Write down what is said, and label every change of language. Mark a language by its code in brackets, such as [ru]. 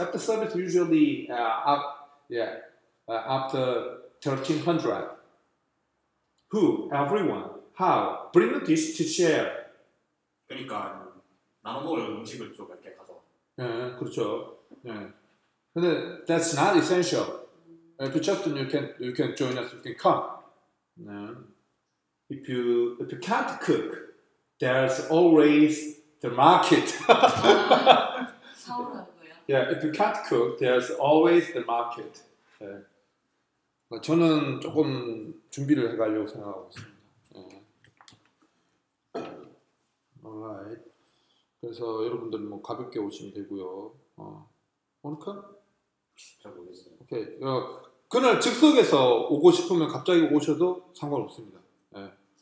[en] After service usually after 1300. Who? Everyone. How? Bring the dish to share. [ko] 그러니까 나눠 먹을 음식을 좀 이렇게 가서. 예, 그렇죠. 예. 근데 [en] that's not essential. If you just you can join us, you can come. Yeah. If you can't cook, there's always the market. [ko] 사오라는 거야? [en] Yeah, if you can't cook, there's always the market. Yeah. [ko] 저는 조금 준비를 해가려고 생각하고 있습니다. [en] Yeah. Alright. [ko] 그래서 여러분들 뭐 가볍게 오시면 되고요. 오늘까? 잘 모르겠어요. [en] Okay. [ko] 그날 즉석에서 오고 싶으면 갑자기 오셔도 상관없습니다. 예.